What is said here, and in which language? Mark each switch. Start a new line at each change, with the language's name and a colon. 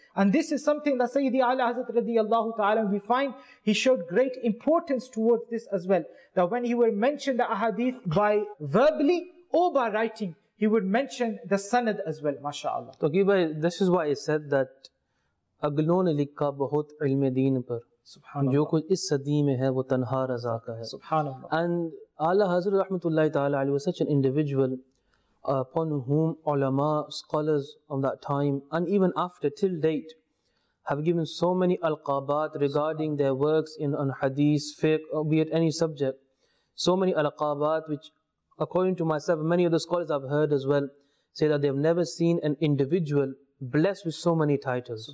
English: And this is something that Sayyidi Ala Hazrat radiyallahu ta'ala, we find he showed great importance towards this as well. That when he would mention the ahadith by verbally or by writing, he would mention the sanad as well, mashallah. Taqi bhai, this is why I said that
Urdu: aglo ne likha bahut ilme deen par. جو کچھ اس صدی میں ہے وہ تنہا رضا کا ہے
Arabic: سبحان اللہ
English: and اعلی حضرت رحمۃ اللہ تعالی علیہ was such an individual upon whom ulama scholars of that time and even after till date have given so many alqabat regarding their works in on hadith fiqh or be it any subject so many alqabat which according to myself many of the scholars I've heard as well say that they have never seen an individual blessed with so many titles